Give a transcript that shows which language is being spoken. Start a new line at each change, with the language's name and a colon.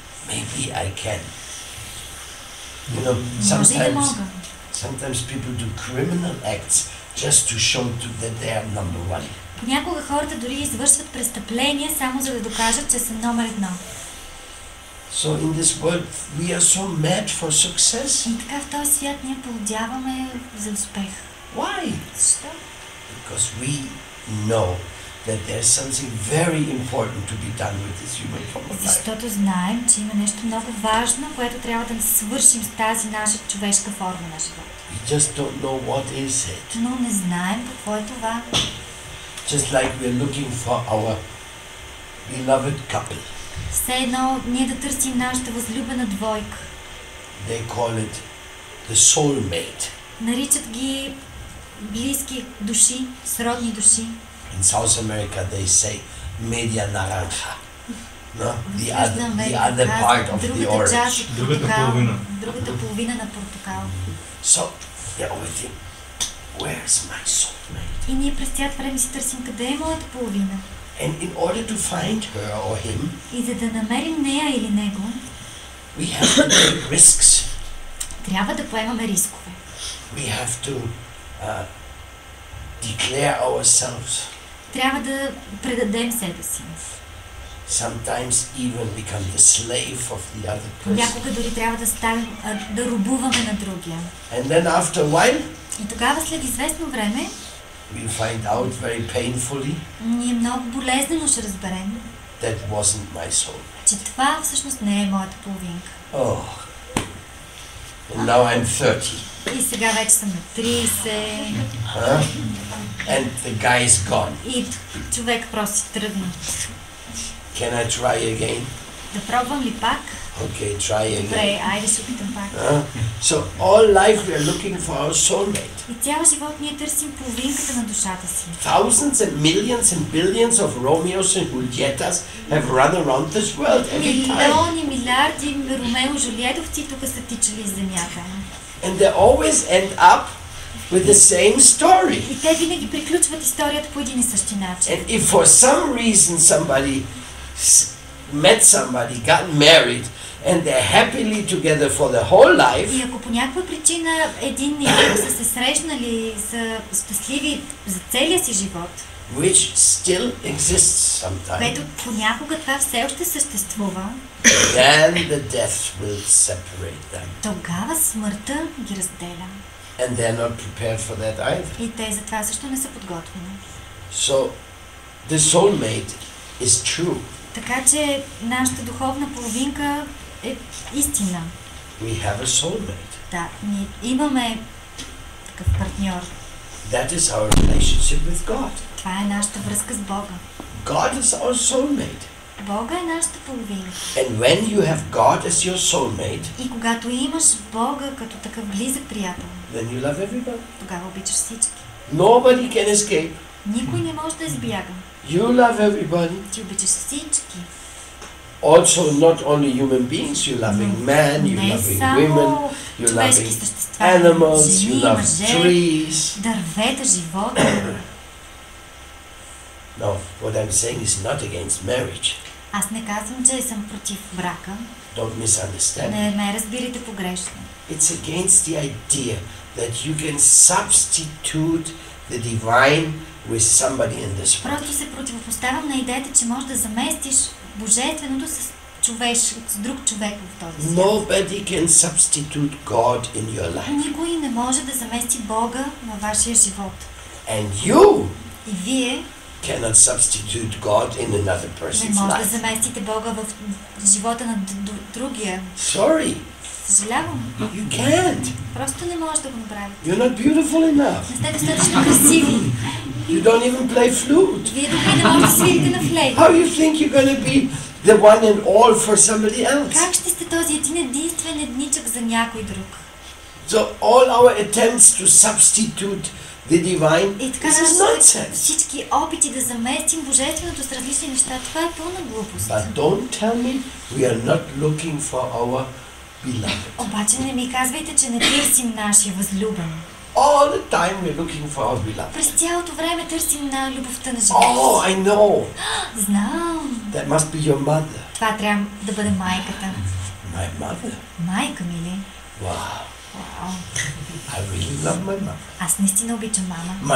English: Maybe I can. You know, sometimes people do criminal acts just to show to that they are number one.
Bulgarian: Понякога хората дори извършват престъпления само за да докажат, че са номер едно.
English: So in this world we are so mad for success.
Bulgarian: И така в този свят ние полудяваме за успех.
English: Why?
Bulgarian: Защо?
English: Because we know that there is something very important to be done with this human form of life.
Bulgarian: Защото знаем, че има нещо много важно, което трябва да свършим с тази наша човешка форма на живот.
English: We just don't know what is it.
Bulgarian: Но не знаем какво е това.
English: Just like we are looking for our beloved couple.
Bulgarian: Все едно ние да търсим нашата възлюбена двойка.
English: They call it the soulmate.
Bulgarian: Наричат ги близки души, сродни души.
English: In South America they say
Spanish: media naranja.
English: No? The other part of the orange.
Bulgarian: Другата половина на портокал.
English: So, yeah, we think, where's my soulmate?
Bulgarian: И ние през цялото време си търсим къде е моята половина.
English: And in order to find her or him,
Bulgarian: и за да намерим нея или него,
English: we have to take risks.
Bulgarian: Трябва да поемаме рискове.
English: We have to declare ourselves.
Bulgarian: Трябва да предадем себе си.
English: Sometimes even become the slave of the other person.
Bulgarian: Някога дори трябва да ставим да робуваме на другия.
English: And then after a while,
Bulgarian: и тогава след известно време,
English: we find out very painfully,
Bulgarian: ние много болезнено ще разберем,
English: that wasn't my soul.
Bulgarian: Че това всъщност не е моята половинка.
English: Oh. And now I'm 30.
Bulgarian: И сега вече съм на 30.
English: Huh? And the guy is gone.
Bulgarian: И човек просто тръгна.
English: Can I try again?
Bulgarian: Да пробвам ли пак?
English: Okay, try again.
Bulgarian: Добре, айде се опитам пак.
English: So all life we are looking for our soulmate.
Bulgarian: И цял живот ние търсим половинката на душата си.
English: Thousands and millions and billions of Romeos and Julietas have run around this world every time.
Bulgarian: Милиони, милиарди Ромео и Джулиетовци тук са тичали из земята.
English: And they always end up with the same story.
Bulgarian: И те винаги приключват историята по един и същи начин.
English: And if for some reason somebody met somebody, got married, and they're happily together for the whole life.
Bulgarian: И ако по някаква причина един и друг са се срещнали и са щастливи за целия си живот.
English: Which still exists sometimes.
Bulgarian: Което понякога това все още съществува.
English: Then the death will separate them.
Bulgarian: Тогава смъртта ги разделя.
English: And they're not prepared for that either.
Bulgarian: И те за това също не са подготвени.
English: So, the soulmate is true.
Bulgarian: Така че нашата духовна половинка е истина.
English: We have a soulmate.
Bulgarian: Да, ние имаме такъв партньор.
English: That is our relationship with God.
Bulgarian: Това е нашата връзка с Бога.
English: God is our soulmate.
Bulgarian: Бога е нашата половина.
English: And when you have God as your soulmate,
Bulgarian: и когато имаш Бога като такъв близък приятел,
English: then you love everybody.
Bulgarian: Тогава обичаш всички.
English: Nobody can escape.
Bulgarian: Никой не може да избяга.
English: You love everybody.
Bulgarian: Ти обичаш всички.
English: Also not only human beings, you're loving men, you're loving women, you're loving animals, you love trees.
Bulgarian: Дървета, живота.
English: No, what I'm saying is not against marriage.
Bulgarian: Аз не казвам, че съм против брака.
English: Don't misunderstand.
Bulgarian: Не ме разбирайте погрешно.
English: It's against the idea that you can substitute the divine with somebody in this world.
Bulgarian: Просто се противопоставям на идеята, че можеш да заместиш Божественото с друг човек в този свят.
English: Nobody can substitute God in your life.
Bulgarian: Никой не може да замести Бога във вашия живот.
English: And you
Bulgarian: и вие
English: cannot substitute God in another person's life.
Bulgarian: Не може да заместите Бога в живота на другия.
English: Sorry.
Bulgarian: Съжалявам.
English: You can't.
Bulgarian: Просто не може да го направите.
English: You're not beautiful enough.
Bulgarian: Не сте достатъчно красиви.
English: You don't even play flute.
Bulgarian: Вие дори не можете да свирите на флейта.
English: How you think you're gonna be the one and all for somebody else?
Bulgarian: Как ще сте този един единствен едничък за някой друг?
English: So all our attempts to substitute the divine is nonsense.
Bulgarian: Всички опити да заместим божественото с различни неща, това е пълна глупост.
English: But don't tell me we are not looking for our beloved.
Bulgarian: Обаче не ми казвайте, че не търсим нашия възлюбен.
English: All the time we're looking for our beloved.
Bulgarian: През цялото време търсим на любовта на живота.
English: Oh, I know.
Bulgarian: Знам.
English: That must be your mother.
Bulgarian: Това трябва да бъде майката.
English: My mother.
Bulgarian: Майка ми ли?
English: Wow. Wow. I really love my mom.
Bulgarian: Аз наистина обичам мама.